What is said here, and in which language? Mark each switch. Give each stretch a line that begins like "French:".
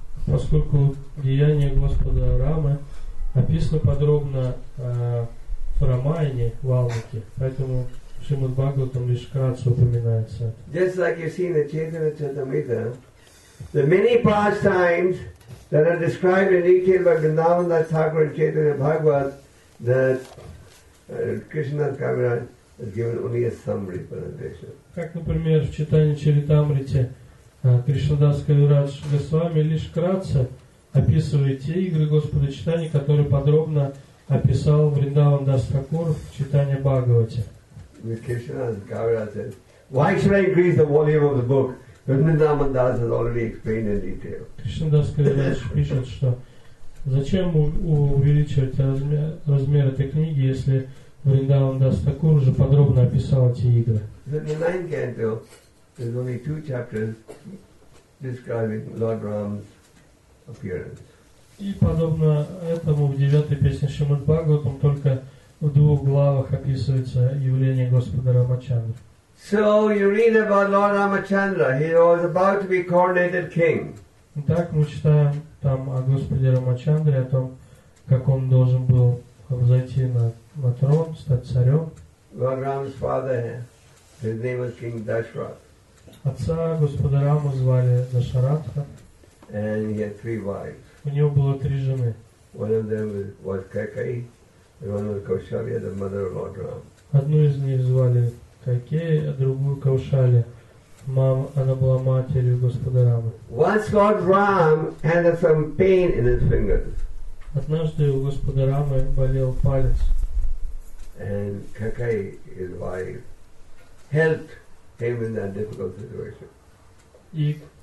Russian: Поскольку деяния Господа Рамы описаны подробно в Рамаяне, Валмике, поэтому Шримад Бхагаватам лишь кратко упоминается.
English: Just like you've seen in Chaitanya Charitamrita, the many pastimes that are described in detail by Vrindavan Das Thakur and Chaitanya Bhagavat, that Krishna's Kaviraj has given only a summary presentation.
Russian: Как, например, в читании Чаритамрите Кришнадас Кавирадж Госвами лишь вкратце описывает те игры Господа Читания, которые подробно описал Вриндаван Дас Такур в Читании Бхагавате.
English: Кришнадас Кавирадж says, why should I increase the volume of the book when Vrindavan Das has already explained in detail?
Russian: Кришнадас Кавирадж пишет, что зачем увеличивать размер этой книги, если Вриндаван Дас Такур уже подробно описал эти игры.
English: There's only two chapters describing Lord Ram's appearance.
Russian: И подобно этому в 9-й песне Шримад Бхагаватам только в двух главах описывается явление Господа Рамачандры.
English: So you read about Lord Ramachandra. He was about to be coronated king.
Russian: Так мы читаем там о Господе Рамачандре, о том, как он должен был взойти на трон, стать царем.
English: Рама's father, his name was King Dashrath.
Russian: Отца Господа Рамы звали Дашаратха.
English: And he had three wives.
Russian: У него было три жены.
English: One of them was Kaikeyi, and one was Kaushalya, the mother of Lord Ram.
Russian: Одну из них звали Кайкеи, а другую Каушали. Мама, она была матерью Господа Рамы.
English: Once Lord Ram had some pain in his fingers.
Russian: Однажды у Господа Рамы болел палец.
English: And Kaikeyi, his wife, helped him in that difficult situation.